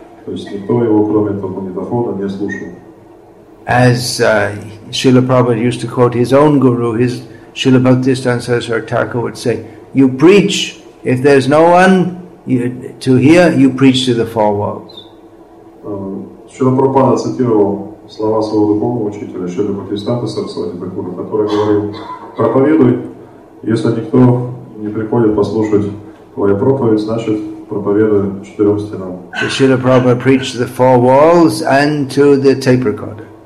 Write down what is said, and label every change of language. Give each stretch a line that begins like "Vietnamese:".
Russian: То есть никто его, кроме этого магнитофона, не слушал.
English: As Srila Prabhupada used to quote his own guru, his Srila Bhaktisiddhanta Saraswati Thakur would say, "You preach, if there's no one to hear, you preach to the four walls."
Russian: Srila Prabhupada цитировал слова своего духовного учителя, Шрилы Бхактисиддханты Сарасвати Такура, который говорил: «Проповедуй, если никто не приходит послушать твою проповедь, значит, проповедуй четырем стенам».
English: Шрила Прабхупада preached to the four walls and to the tape recorder.